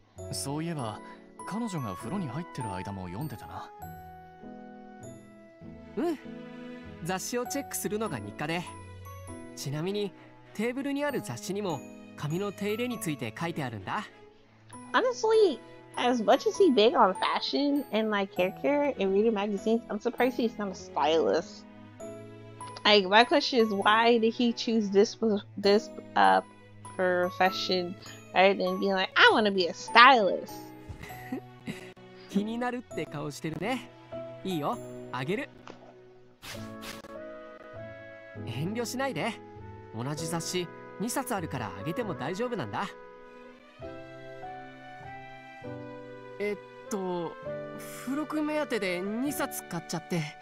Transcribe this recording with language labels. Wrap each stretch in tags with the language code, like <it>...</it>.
<ja>そういえば彼女が風呂に入ってる間も読んでたな。うん、雑誌をチェックするのが日課で。ちなみにテーブルにある雑誌にも髪の手入れについて書いてあるんだ。</ja> <en>Honestly, as much as he's big on fashion and like hair care and reading magazines, I'm surprised he's not a stylist. Like, my question is, why did he choose this profession rather than being like, I want to be a stylist?</en> <ja>気になるって顔してるね。いいよ、あげる。遠慮しないで。同じ雑誌2冊あるからあげても大丈夫なんだ。付録目当てで2冊買っちゃって。</ja>